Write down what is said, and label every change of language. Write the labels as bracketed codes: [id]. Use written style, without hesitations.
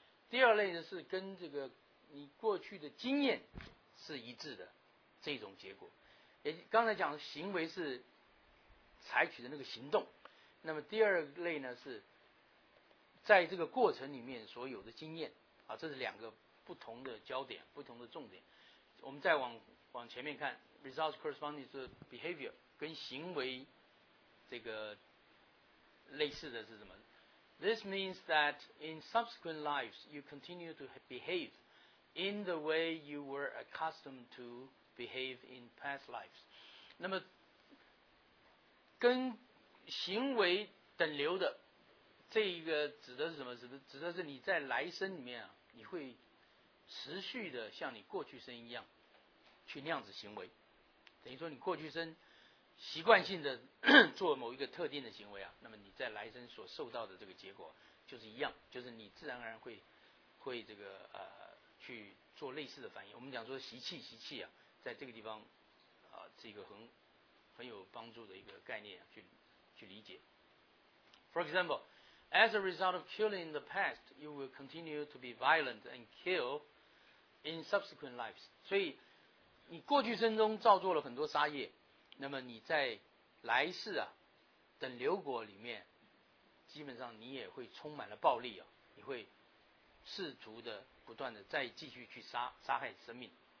[zh] 第二类呢是跟这个你过去的经验是一致的这种结果。也刚才讲的行为是采取的那个行动，那么第二类呢是在这个过程里面所有的经验。啊，这是两个不同的焦点，不同的重点。我们再往前面看 [en] ，results corresponding to behavior [zh] 跟行为这个类似的是什么 [en] ？This means that in subsequent lives you continue to behave in the way you were accustomed to behave in past lives。 [zh] 那么跟行为等流的这一个指的是什么？指的是你在来生里面啊。你会持续的像你过去生一样去那样子行为，等于说你过去生习惯性的做某一个特定的行为啊，那么你在来生所受到的这个结果就是一样，就是你自然而然会这个去做类似的反应。我们讲说习气啊，在这个地方啊、是一个很有帮助的一个概念、啊、去理解。 [en] For example,As a result of killing in the past, you will continue to be violent and kill in subsequent lives. [zh] 所以你过去生中造作了很多杀业，那么你在来世啊等流果里面基本上你也会充满了暴力啊，你会试图的不断的再继续去杀害生命。